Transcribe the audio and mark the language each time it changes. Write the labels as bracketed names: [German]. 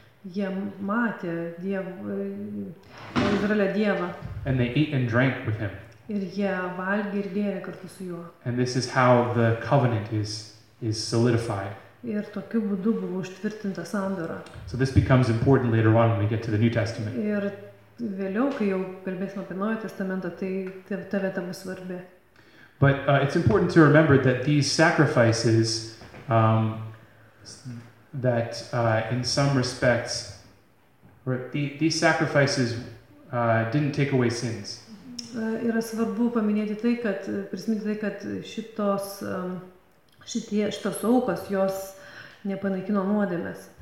[Lithuanian] Jie matė Izraelio Dievą. [English] And they ate and drank with him. [Lithuanian] Ir jie valgė ir gėrė kartu su juo. [English] And this is how the covenant is solidified. [Lithuanian] Ir tokiu būdu buvo užtvirtinta sandora. [English] So this becomes important later on when we get to the New Testament. [Lithuanian] Ir vėliau, kai jau kalbėsime apie Naują Testamentą, tai ta vieta bus svarbi. [English] But it's important to remember that these sacrifices that in some respects these sacrifices didn't take away sins. [Lithuanian] Yra svarbu paminėti tai, kad prisiminti tai, kad šitos šitos aukos jos nepanaikino nuodėmes.